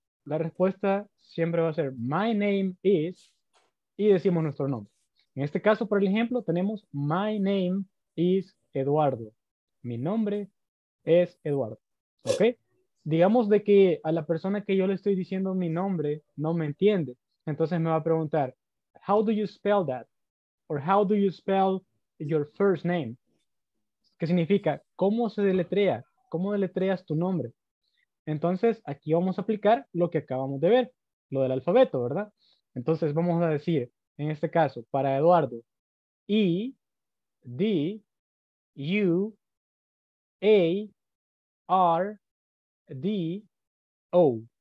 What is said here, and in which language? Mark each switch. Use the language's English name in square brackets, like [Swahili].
[Spanish] La respuesta siempre va a ser, [English] my name is, [Spanish] y decimos nuestro nombre. En este caso, por ejemplo, tenemos, [English] my name is [Spanish] Eduardo. Mi nombre es Eduardo. ¿Ok? Digamos de que a la persona que yo le estoy diciendo mi nombre no me entiende. Entonces me va a preguntar, [English] how do you spell that? Or how do you spell your first name? [Spanish] ¿Qué significa? ¿Cómo se deletrea? ¿Cómo deletreas tu nombre? Entonces aquí vamos a aplicar lo que acabamos de ver, lo del alfabeto, ¿verdad? Entonces vamos a decir, en este caso, para Eduardo, E, D, U, A, R, D, O.